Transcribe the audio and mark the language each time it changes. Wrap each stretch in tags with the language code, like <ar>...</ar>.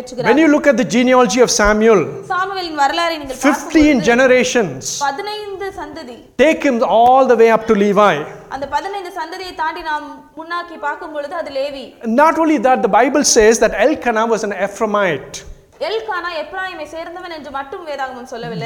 <en>When you look at the genealogy of Samuel, 15 generations take him all the way up to Levi.</en> <ta>அந்த 15 சந்ததியை தாண்டி நாம் முன்னாக்கி பார்க்கும் பொழுது அது Levi.</ta> <en>Not only that, the Bible says that Elkanah was an Ephraimite.</en> <ta>Elkanah எப்ராயிமை சேர்ந்தவன் என்று மட்டும் வேதாகமம் சொல்லவில்லை.</ta>